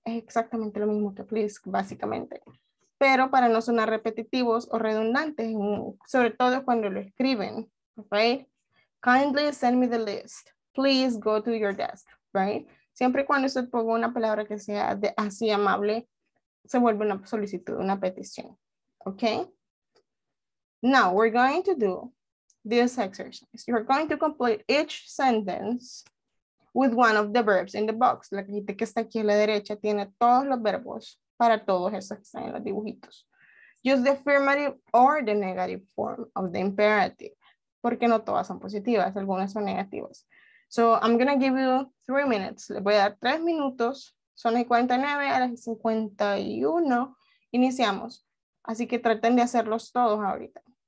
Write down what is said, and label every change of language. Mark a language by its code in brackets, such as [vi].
[es] Es exactamente lo mismo que please, básicamente. Pero para no sonar repetitivos o redundantes, sobre todo cuando lo escriben, right? [en] Kindly send me the list. Please go to your desk, right? [es] Siempre y cuando usted ponga una palabra que sea de, así amable, se vuelve una solicitud, una petición. [en] Okay? Now we're going to do this exercise. You're going to complete each sentence with one of the verbs in the box. [es] La cajita que está aquí a la derecha tiene todos los verbos para todos esos que están en los dibujitos. [en] Use the affirmative or the negative form of the imperative. [es] Porque no todas son positivas, algunas son negativas. [en] So I'm going to give you 3 minutes. [es] Les voy a dar 3 minutos. Son las 49 a las 51. Iniciamos. Así que traten de hacerlos todos ahorita.